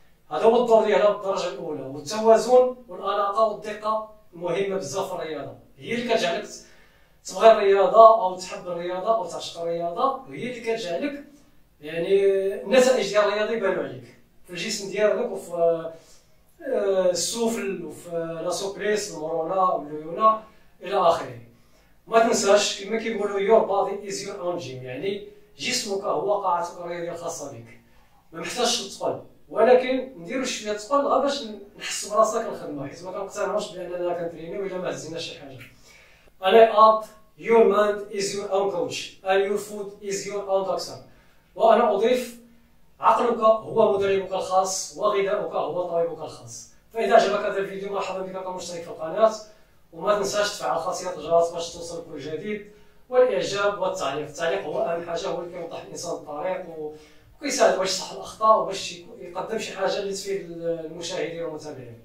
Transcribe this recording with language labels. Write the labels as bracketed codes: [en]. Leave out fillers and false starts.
[ar] هذا هو الدور ديالها بالدرجة الأولى، والتوازن والأناقة والدقة مهمة بزاف في الرياضة، هي اللي كتجعلك تبغي الرياضة أو تحب الرياضة أو تعشق الرياضة، وهي اللي كتجعلك يعني النتائج ديال الرياضة يبانو عليك في الجسم ديالك وفي السفل وفي لا سوبريس المرونة والليونة إلى آخره. ما تنساش كما كيقولوا [en] your body is your own gym, [ar] يعني جسمك هو قاعتك الرياضية الخاصة بك، ما محتاجش تقل، ولكن نديرو شوية تقل غير باش نحس براسك الخدمة، حيت ما كنقتنعوش بأننا كنترينيو إلا ما هزينا شي حاجة. [fr] Allez hop, [en] your mind is your own coach and your food is your own doctor. [ar] وأنا أضيف عقلك هو مدربك الخاص وغذاؤك هو طبيبك الخاص. فإذا عجبك هذا الفيديو مرحبا بك كمشترك في القناة، وما تنساش تفعل خاصية الجرس باش توصل كل جديد، والإعجاب والتعليق، التعليق هو أهم حاجة، هو اللي كيوضح الإنسان الطريق وكيساعد باش يصحح الأخطاء وباش يقدم شي حاجة اللي تفيد المشاهدين والمتابعين.